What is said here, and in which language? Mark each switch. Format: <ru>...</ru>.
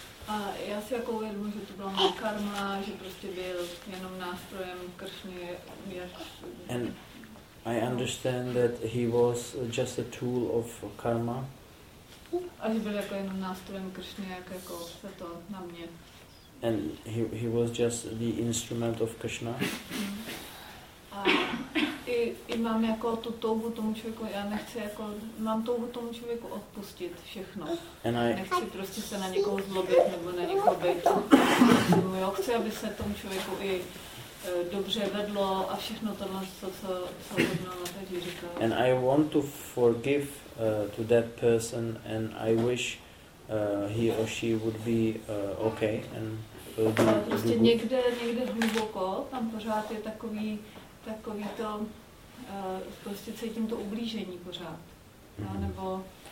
<cs>A já si jako uvědomuji, že to byla moje karma, že prostě byl jenom nástrojem Kršny.</cs> <en>And I understand that he was just a tool of karma.</en> <cs>A že byl jako jenom nástrojem Kršny, jak jako se to na mě.</cs> <en>And he was just the instrument of Krishna.</en> <cs>A i mám jako tu touhu tomu člověku, já nechci jako, mám touhu tomu člověku odpustit všechno. Nechci prostě se na někoho zlobit nebo na někoho být. Jo, chci, aby se tomu člověku i dobře vedlo a všechno tohle, co se hodná na tady říká.</cs> <en>And I want to forgive to that person and I wish he or she would be okay and will be good.</en> <cs>Prostě někde hluboko, tam pořád je takový to, prostě cítím to ublížení pořád, nebo...</cs>